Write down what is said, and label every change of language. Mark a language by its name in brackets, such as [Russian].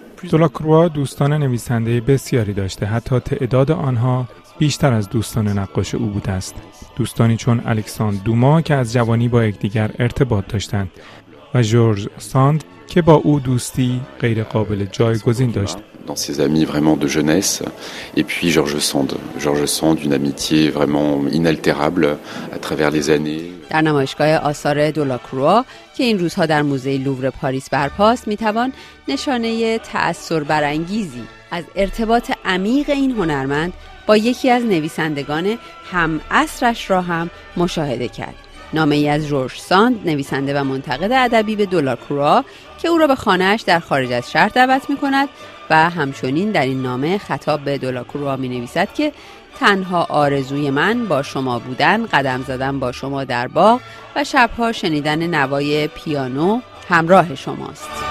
[Persian] دولاکروا دوستان نویسنده بسیاری داشته، حتی تعداد آنها بیشتر از دوستان نقاش او بوده است. دوستانی چون الکساندر دوما که از جوانی با یکدیگر ارتباط داشتند و جورج ساند که با او دوستی غیر قابل جایگزین داشت. [French] Dans ses amis vraiment de jeunesse et puis George Sand une amitié vraiment inaltérable à travers les années. [Persian] در نمایشگاه آثار دولاکروا که این روزها در موزه لوور پاریس برپاست، می توان نشانه تأثیر برانگیزی از ارتباط عمیق این هنرمند با یکی از نویسندگان هم عصرش را هم مشاهده کرد. نامه ای از جورج ساند، نویسنده و منتقد ادبی به دولاکروا، که او را به خانه‌اش در خارج از شهر دعوت می‌کند و همچنین در این نامه خطاب به دولاکروا می‌نویسد که تنها آرزوی من با شما بودن، قدم زدن با شما در باغ و شب‌ها شنیدن نوای پیانو همراه شماست.